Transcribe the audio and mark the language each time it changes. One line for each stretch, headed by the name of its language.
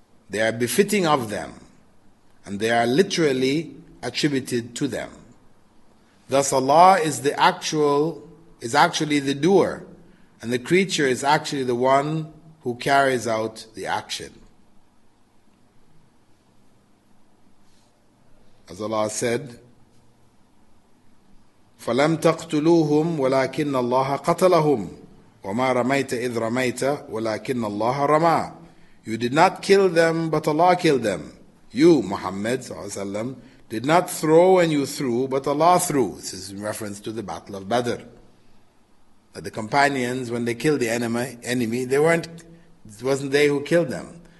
English: They are befitting of them, and they are literally attributed to them. Thus Allah is actually the doer, and the creature is actually the one who carries out the action. As Allah said,
Arabic: فَلَمْ تَقْتُلُوهُمْ وَلَكِنَّ اللَّهَ قَتَلَهُمْ وَمَا رَمَيْتَ إِذْ رَمَيْتَ وَلَكِنَّ اللَّهَ رَمَى.
English: You did not kill them, but Allah killed them. You, Muhammad ﷺ, did not throw when you threw, but Allah threw. This is in reference to the Battle of Badr. That the companions, when they killed the enemy, it wasn't they who killed them.